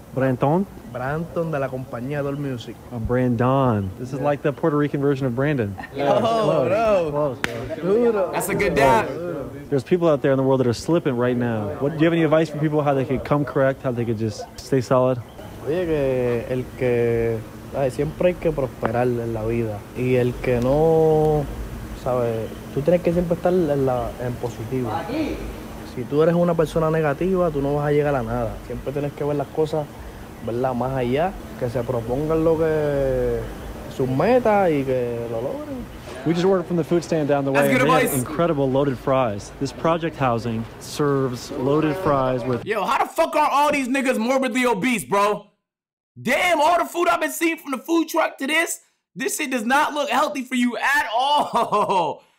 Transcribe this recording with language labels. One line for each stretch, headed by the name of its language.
Spanish: Branton de la compañía Dol Music.
English: I'm Brandon. This is like the Puerto Rican version of Brandon. Yeah. Oh, Close, bro. That's a good dad. There's people out there in the world that are slipping right now. What, do you have any advice for people how they could come correct, how they could just stay solid?
Spanish: Oye, que el que... Ay, siempre hay que prosperar en la vida. Y el que no... Sabes, tú tienes que siempre estar en positivo. Si tú eres una persona negativa, tú no vas a llegar a nada. Siempre tienes que ver las cosas, ¿verdad? Más allá, que se propongan lo que sus metas y que lo logren.
English: We just ordered from the food stand down the way. That's good advice. Incredible loaded fries. This project housing serves loaded fries with... Yo, how the fuck are all these niggas morbidly obese, bro? Damn, all the food I've been seeing from the food truck to this... This shit does not look healthy for you at all.